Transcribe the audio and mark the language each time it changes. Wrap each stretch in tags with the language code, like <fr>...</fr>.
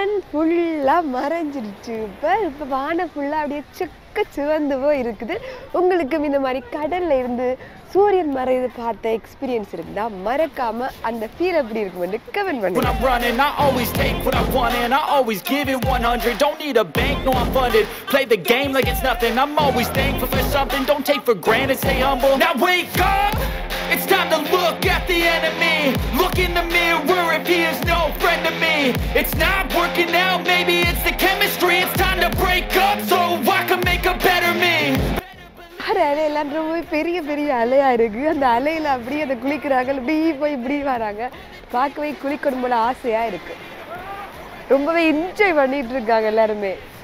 <ta>ஃபுல்லாக மறைஞ்சிருச்சு, இப்போ இப்போ வானை ஃபுல்லாக அப்படியே சிக்க சிவந்து போய் இருக்குது. உங்களுக்கும் இந்த மாதிரி கடலில் இருந்து சூரியன் மறையது பார்த்த எக்ஸ்பீரியன்ஸ் இருந்தால் மறக்காமல் அந்த ஃபீல் எப்படி இருக்கும்னு கமெண்ட் பண்ணுங்க.</ta> <en>When I'm running, I always take what I want and I always give it 100. Don't need a bank, no I'm funded. Play the game like it's nothing. I'm always thankful for something. Don't take for granted, stay humble. Now wake up! It's time to look at the enemy. Look in the mirror if he is no friend to me. It's not working out, maybe it's the chemistry. It's time to break up so I can make a better me.</en> <ta>அலையெல்லாம் ரொம்ப பெரிய பெரிய அலையாக இருக்கு. அந்த அலையில் அப்படியே அதை குளிக்கிறாங்க, அப்படியே போய் இப்படி வராங்க. பார்க்கவே குளிக்கணும் போல ஆசையாக இருக்கு. ரொம்பவே என்ஜாய் பண்ணிட்டு இருக்காங்க எல்லாருமே.</ta>